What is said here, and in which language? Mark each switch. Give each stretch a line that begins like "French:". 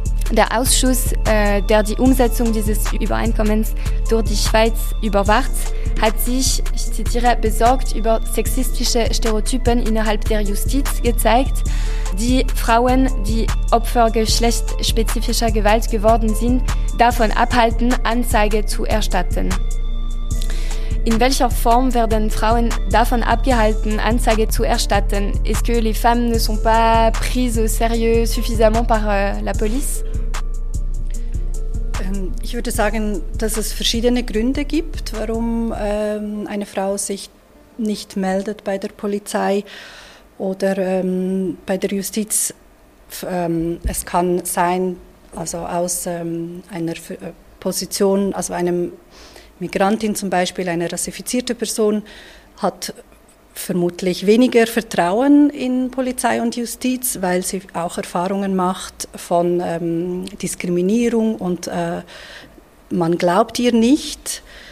German: Der Ausschuss, der die Umsetzung dieses Übereinkommens durch die Schweiz überwacht, hat sich, ich zitiere, besorgt über sexistische Stereotypen innerhalb der Justiz gezeigt, die Frauen, die Opfer geschlechtsspezifischer Gewalt geworden sind, davon abhalten, Anzeige zu erstatten. In welcher Form werden Frauen davon abgehalten, Anzeige zu erstatten?
French: Est-ce que les femmes ne sont pas prises au sérieux suffisamment par la police?
German: Ich würde sagen, dass es verschiedene Gründe gibt, warum eine Frau sich nicht meldet bei der Polizei oder bei der Justiz. Es kann sein, also aus einer Position, also einem Migrantin zum Beispiel, eine rassifizierte Person, hat vermutlich weniger Vertrauen in Polizei und Justiz, weil sie auch Erfahrungen macht von Diskriminierung und man glaubt ihr nicht.